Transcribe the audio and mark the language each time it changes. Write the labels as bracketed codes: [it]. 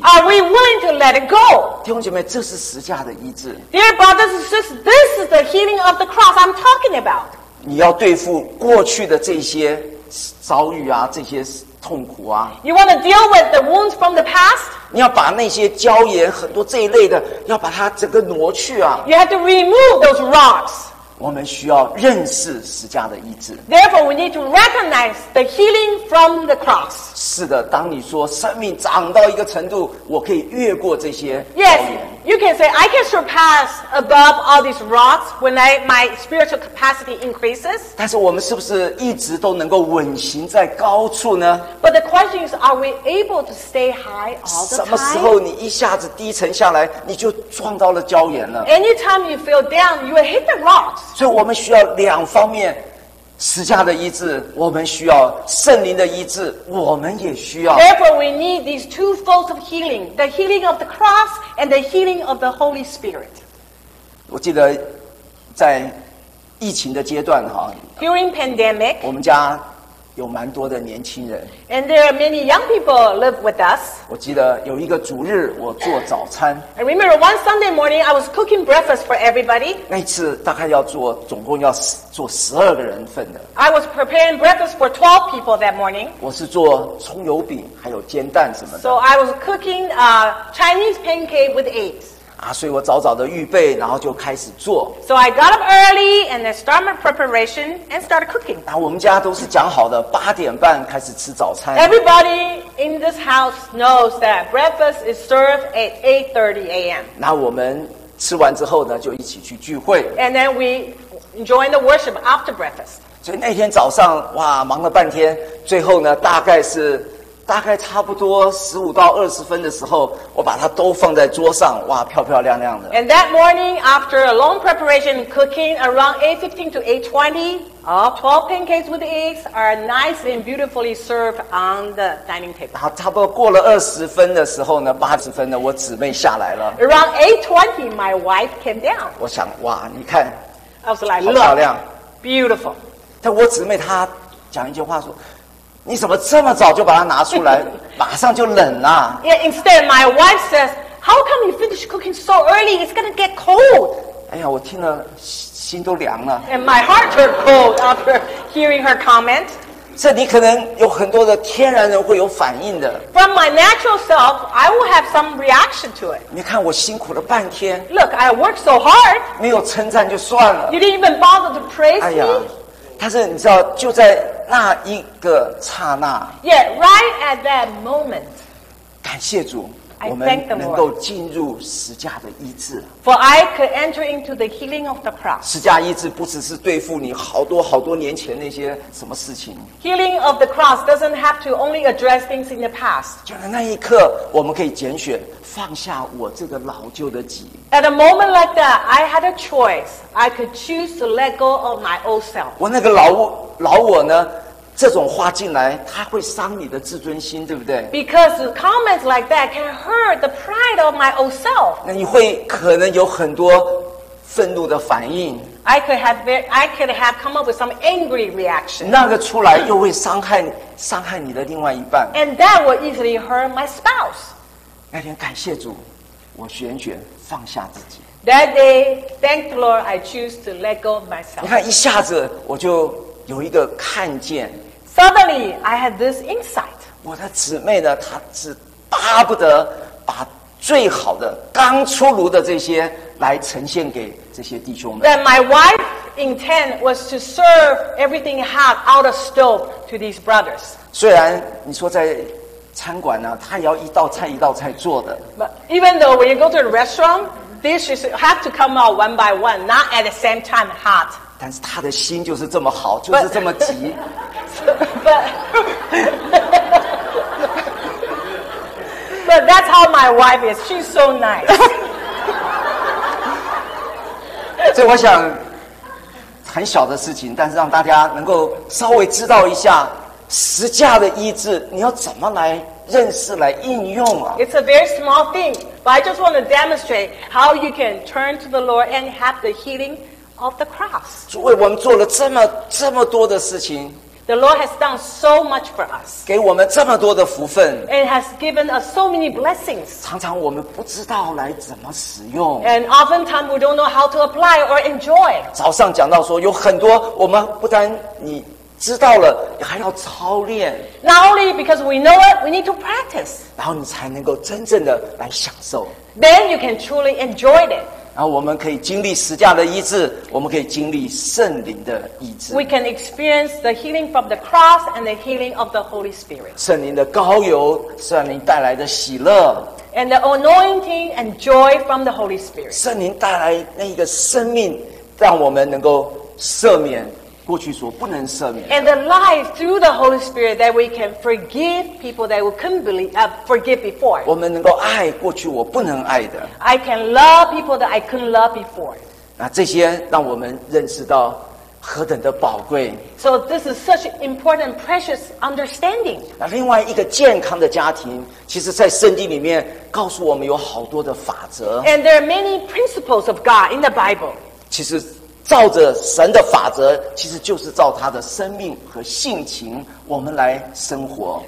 [en] Are we willing to let it go [zh] 弟兄姐妹这是十架的医治 [en] Dear brothers and sisters this is the healing of the cross I'm talking about [zh] 你要对付过去的这些遭遇啊，这些痛苦啊。 [en] You want to deal with the wounds from the past? [zh] 你要把那些礁岩很多这一类的，要把它整个挪去啊。 [en] You have to remove those rocks. [zh] 我们需要认识十架的医治。 [en] Therefore, we need to recognize the healing from the cross. [zh] 是的，当你说生命长到一个程度，我可以越过这些。 [en] Yes, you can say I can surpass above all these rocks when my spiritual capacity increases. [zh] 但是我们是不是一直都能够稳行在高处呢 [en] ？But the question is, are we able to stay high all the time? [zh] 什么时候你一下子低沉下来，你就撞到了礁岩了 [en] ？Anytime you feel down, you will hit the rocks. [zh] 所以我们需要两方面。十架的医治，我们需要圣灵的医治，我们也需要。 [en] Therefore, we need these two folds of healing: the healing of the cross and the healing of the Holy Spirit. [zh] 我记得在疫情的阶段哈 [en] ，During pandemic, [zh] 我们家有蛮多的年轻人。 [en] And there are many young people live with us. [zh] 我记得有一个主日，我做早餐。 [en] I remember one Sunday morning, I was cooking breakfast for everybody. [zh] 那一次大概要做，总共要做12个人份的。 [en] I was preparing breakfast for 12 people that morning. [zh] 我是做葱油饼，还有煎蛋什么的。 [en] So I was cooking a Chinese pancake with eggs. [zh] 啊，所以我早早的预备，然后就开始做。 [en] So I got up early and then started my preparation and started cooking. [zh] 啊，我们家都是讲好的，8:30开始吃早餐。 [en] Everybody in this house knows that breakfast is served at 8:30 a.m. [zh] 那我们吃完之后呢，就一起去聚会。 [en] And then we join the worship after breakfast. [zh] 所以那天早上，哇，忙了半天，最后呢，大概差不多15到20分的时候，我把它都放在桌上，哇，漂漂亮亮的。 [en] And that morning, after a long preparation cooking, around 8:15 to 8:20, all 12 pancakes with eggs are nice and beautifully served on the dining table. [zh] 然后差不多过了20分的时候呢，80分呢，我姊妹下来了。 [en] Around 8:20, my wife came down. [zh] 我想，哇，你看， [en] I was like, [zh] 好漂亮 [en] ，beautiful. [zh] 但我姊妹她讲一句话说。你怎么这么早就把它拿出来？马上就冷了。 [en] Yeah, instead, my wife says, "How come you finish cooking so early? It's gonna get cold." [zh] 哎呀，我听了心都凉了。 [en] And my heart turned cold after hearing her comment. [zh] 这你可能有很多的天然人会有反应的。 [en] From my natural self, I will have some reaction to it. [zh] 你看我辛苦了半天。 [en] Look, I worked so hard. [zh] 没有称赞就算了。 [en] You didn't even bother to praise me. [zh] 但是你知道，就在那一个刹那 [en] ，Yeah, right at that moment. [zh] 感谢主， [en] I thank [zh] 我们能够进入十架的医治。 [en] For I could enter into the healing of the cross. [zh] 十架医治不只是对付你好多好多年前那些什么事情。 [en] Healing of the cross doesn't have to only address things in the past. [zh] 就在那一刻，我们可以拣选放下我这个老旧的己。 [en] At a moment like that, I had a choice. I could choose to let go of my old self. [zh] 我那个老我呢？这种话进来，它会伤你的自尊心，对不对 [en] ？Because comments like that can hurt the pride of my old self. [zh] 那你会可能有很多愤怒的反应。 [en] I could have come up with some angry reaction. [zh] 那个出来又会伤害你的另外一半。 [en] And that will easily hurt my spouse. [zh] 那天感谢主，我选择放下自己。 [en] That day, thank the Lord, I choose to let go of myself. [zh] 你看，一下子我就。有一个看见 [en] Suddenly, I had this insight. [zh] 我的姊妹呢，她是巴不得把最好的刚出炉的这些来呈现给这些弟兄们。 [en] That my wife's intent was to serve everything hot out of stove to these brothers. [zh] 虽然你说在餐馆呢，他要一道菜一道菜做的。 [en] But even though when you go to the restaurant, dishes have to come out one by one, not at the same time hot. [zh] 但是他的心就是这么好，就是这么急。 [en] But that's how my wife is. She's so nice. [zh] 所以我想，很小的事情，但是让大家能够稍微知道一下十架的医治，你要怎么来认识、来应用啊 [en] ？It's a very small thing, but I just want to demonstrate how you can turn to the Lord and have the healing. Of the cross. [zh] 主为我们做了这么多的事情。 [en] The Lord has done so much for us. [zh] 给我们这么多的福分。 [en] And has given us so many blessings. [zh] 常常我们不知道来怎么使用。 [en] And oftentimes we don't know how to apply or enjoy. [zh] 早上讲到说有很多我们不单你知道了，还要操练。 [en] Not only because we know it, we need to practice. [zh] 然后你才能够真正的来享受。 [en] Then you can truly enjoy it. [zh] 然后我们可以经历十架的医治，我们可以经历圣灵的医治。 [en] We can experience the healing from the cross and the healing of the Holy Spirit. [zh] 圣灵的膏油，圣灵带来的喜乐。 [en] And the anointing and joy from the Holy Spirit. [zh] 圣灵带来那个生命，让我们能够赦免过去所不能赦免的。 [en] And the life through the Holy Spirit that we can forgive people that we couldn't believe, forgive before. [zh] 我们能够爱过去我不能爱的。 [en] I can love people that I couldn't love before. [zh] 那这些让我们认识到何等的宝贵。 [en] So this is such important, precious understanding. [zh] 那另外一个健康的家庭，其实在圣经里面告诉我们有好多的法则。 [en] And there are many principles of God in the Bible. [zh] 其实照着神的法则，其实就是照他的生命和性情，我们来生活。